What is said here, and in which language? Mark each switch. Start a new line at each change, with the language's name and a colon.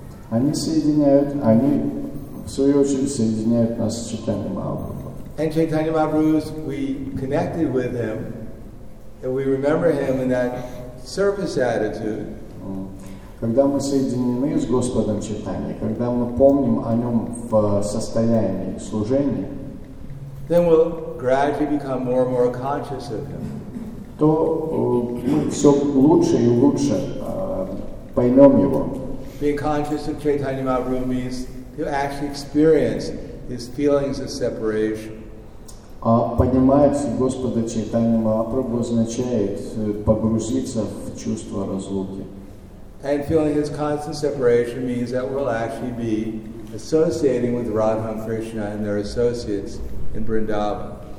Russian: Они соединяют, они в свою очередь соединяют нас с Чайтаньей Махапрабху.
English: And Chaitanya Mahaprabhu, we connected with him, and we remember him in that service attitude.
Russian: Когда мы соединены с Господом Чайтаньей, когда мы помним о нем в состоянии служения,
English: then we'll gradually become more and more conscious of him.
Russian: То мы все лучше и лучше поймем его.
English: Being conscious of Chaitanya Mahaprabhu means to actually experience his feelings of separation.
Russian: А понимать Господа Чайтанья Махапрабху означает погрузиться в чувство разлуки.
English: And feeling his constant separation means that we'll actually be associating with Radha and Krishna and their associates in Vrindavan.